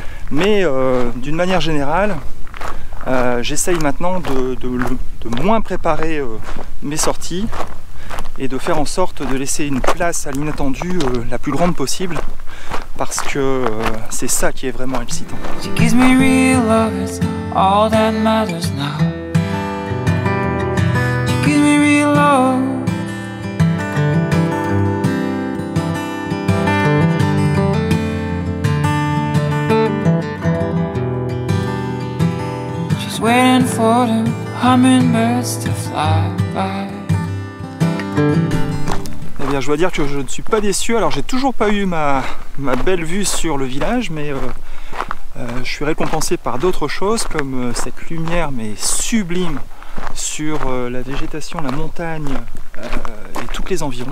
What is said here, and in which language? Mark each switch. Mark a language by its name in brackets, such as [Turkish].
[French] Mais d'une manière générale, j'essaye maintenant de moins préparer mes sorties et de faire en sorte de laisser une place à l'inattendu la plus grande possible, parce que c'est ça qui est vraiment excitant. [English] She gives me real love, it's all that matters now. She gives me real love. Waiting for the hummingbirds to fly by. [French] Eh bien, je dois dire que je ne suis pas déçu. Alors, j'ai toujours pas eu ma belle vue sur le village, mais je suis récompensé par d'autres choses, comme cette lumière mais sublime sur la végétation, la montagne et toutes les environs.